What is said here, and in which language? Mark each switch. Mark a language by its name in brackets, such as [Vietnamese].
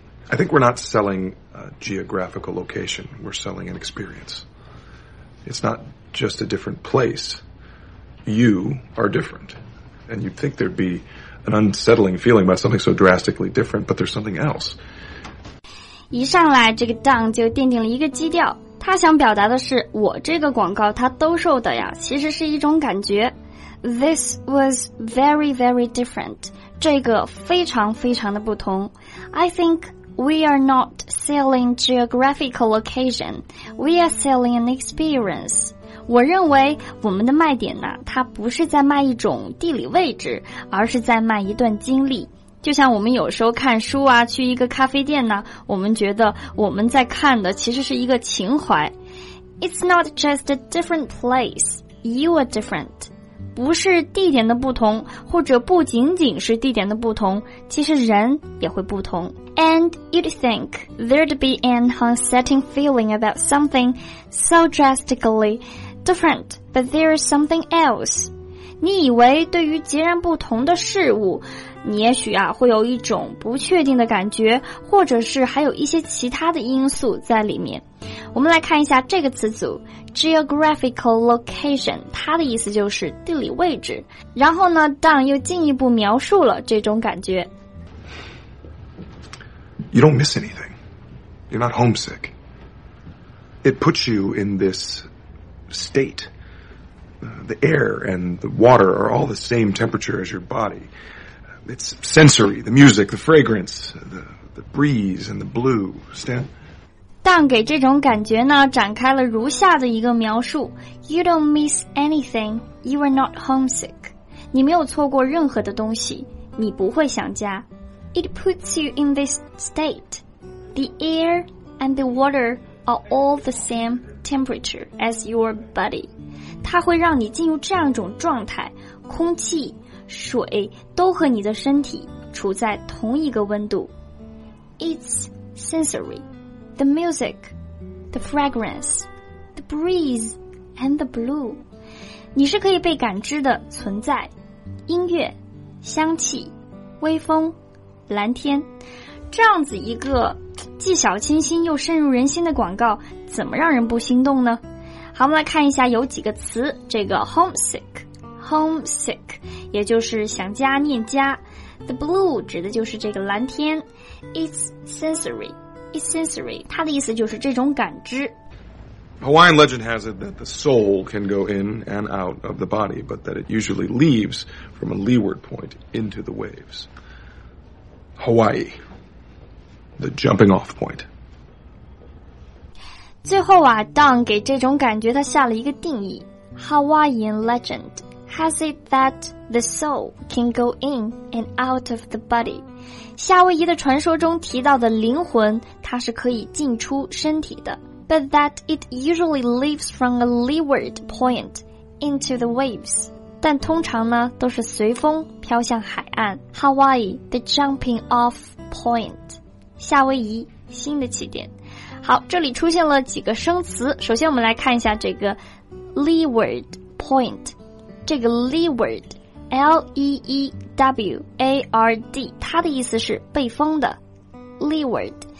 [English] I think we're not selling a geographical location, we're selling an experience. It's not just a different place, you are differentAnd you'd think there'd be an unsettling feeling about something so drastically different, but there's something else. [Chinese] 一上来，这个 Don 就奠定了一个基调，他想表达的是，我这个广告他兜售的呀，其实是一种感觉。 [English] This was very, very different. [Chinese] 这个非常非常的不同。 [English] I think we are not selling geographical location. We are selling an experience. [Chinese] 我认为我们的卖点呢，它不是在卖一种地理位置，而是在卖一段经历。就像我们有时候看书啊，去一个咖啡店呢，我们觉得我们在看的其实是一个情怀。 [English] It's not just a different place, you are different. [Chinese] 不是地点的不同，或者不仅仅是地点的不同，其实人也会不同。 [English] And you'd think there'd be an unsettling feeling about something so drastically different, but there is something else. [Chinese] 你以为对于截然不同的事物，你也许啊会有一种不确定的感觉，或者是还有一些其他的因素在里面。我们来看一下这个词组 [English] geographical location， [Chinese] 它的意思就是地理位置。然后呢 ，Don 又进一步描述了这种感觉。 [English] You don't miss anything. You're not homesick. It puts you in this state. The air and the water are all the same temperature as your body. It's sensory, the music, the fragrance, the breeze and the blue. Stan? [Chinese] Dan 给这种感觉呢，展开了如下的一个描述。 [English] You don't miss anything. You are not homesick. [Chinese] 你没有错过任何的东西，你不会想家。 [English] It puts you in this state. The air and the water are all the same temperature as your body. [Chinese] 它会让你进入这样一种状态，空气、水都和你的身体处在同一个温度。 [English] It's sensory. The music, the fragrance, the breeze, and the blue. [Chinese] 你是可以被感知的存在，音乐、香气、微风、蓝天，这样子一个既小清新又深入人心的广告，怎么让人不心动呢？好，我们来看一下有几个词。这个 homesick 也就是想家念家， the blue 指的就是这个蓝天， [English] it's sensory [Chinese] 它的意思就是这种感知。 [English] Hawaiian legend has it that the soul can go in and out of the body, but that it usually leaves from a leeward point into the waves. Hawaii, the jumping off point. [Chinese] 最后啊 ,Don 给这种感觉他下了一个定义。 [English] Hawaiian legend has it that the soul can go in and out of the body. [Chinese] 夏威夷的传说中提到的灵魂它是可以进出身体的。 [English] But that it usually leaves from a leeward point into the waves. [Chinese] 但通常呢都是随风飘向海岸。 [English] Hawaii, the jumping off point, [Chinese] 夏威夷新的起点。好，这里出现了几个生词。首先我们来看一下这个 leeward point, 这个 leeward, L-E-E-W-A-R-D, 它的意思是背风的 leeward。